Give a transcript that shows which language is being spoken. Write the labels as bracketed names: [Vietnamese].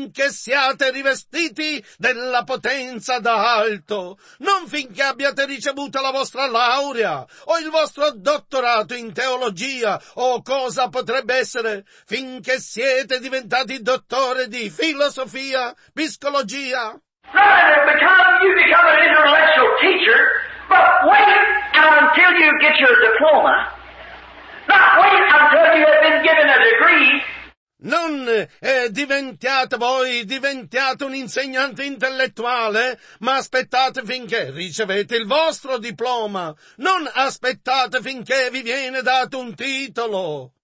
[Italian] siate rivestiti della potenza da alto, non finché abbiate ricevuto la vostra laurea o il vostro dottorato in teologia o cosa potrebbe essere, finché siete diventati dottore di filosofia, psicologia. [English] Become an intellectual teacher, but wait until you get your diploma. Not wait until you have been given a degree. [Italian] Non diventiate un insegnante intellettuale, ma aspettate finché ricevete il vostro diploma. Non aspettate finché vi viene dato un titolo.